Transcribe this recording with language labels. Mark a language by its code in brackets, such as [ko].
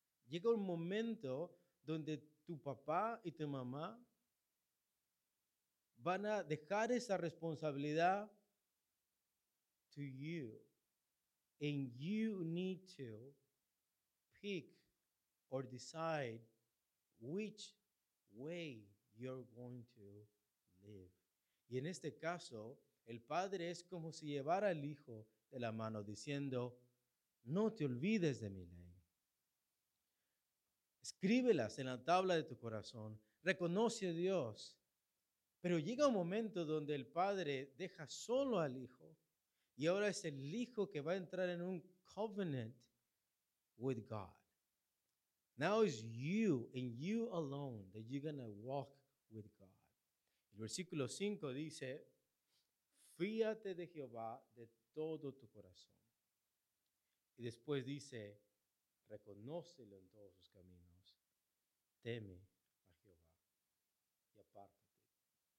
[es] Llega un momento donde tu papá y tu mamá van a dejar esa responsabilidad [en] to you. And you need to pick or decide which way you're going to live. [es] Y en este caso, el padre es como si llevara al hijo de la mano diciendo, no te olvides de mi ley. Escríbelas en la tabla de tu corazón. Reconoce a Dios. Pero llega un momento donde el padre deja solo al hijo y ahora es el hijo que va a entrar en un [en] covenant with God. Now it's you and you alone that you're going to walk with God. [es] El versículo 5 dice, fíate de Jehová de todo tu corazón. Y después dice, reconócelo en todos sus caminos. Teme a Jehová y apártate del mal.